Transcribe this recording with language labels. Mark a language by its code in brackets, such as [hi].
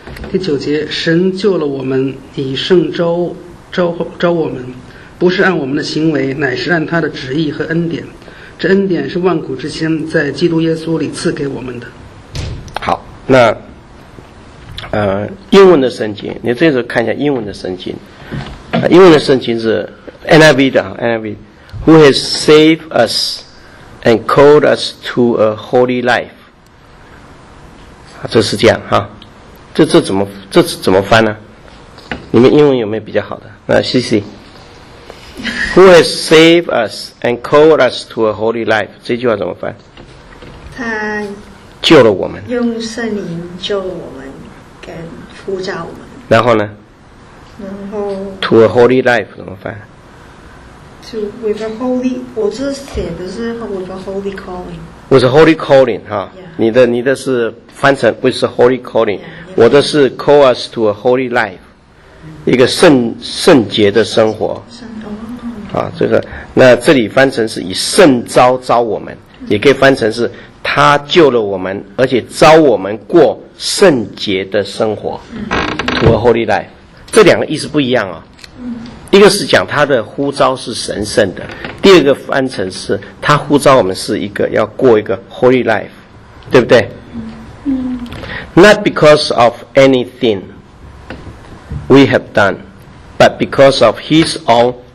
[zh] 第九节，神救了我们，以圣召召我们，不是按我们的行为，乃是按他的旨意和恩典。这恩典是万古之先在基督耶稣里赐给我们的。好，那英文的圣经，你这时候看一下英文的圣经。英文的圣经是 [en] NIV 的 NIV， Who has saved us and called us to a holy life？ [zh] 这是这样哈。这怎么翻呢？你们英文有没有比较好的？ CC。 [en] Who has saved us and called us to a holy life？ [zh] 这句话怎么翻？他救了我们，用圣灵救了我们，跟呼召我们。然后呢？然后 [en] to a holy life [zh] 怎么翻 [en] ？To with a holy， [zh] 我这写的是 [en] with a holy calling。 With a holy calling 哈、 yeah. ， [zh] 你的是翻成 [en] with a holy calling，、 yeah. [zh] 我的是 [en] call us to a holy life，、mm-hmm. [zh] 一个圣洁的生活。啊，这个那这里翻成是以圣召召我们，也可以翻成是他救了我们，而且召我们过圣洁的生活 ， [en] to a holy life。 [zh] 这两个意思不一样啊、哦。一个是讲他的呼召是神圣的，第二个翻成是他呼召我们是一个要过一个 [en] holy life， [zh] 对不对？嗯。 [en] Not because of anything we have done, but because of His own。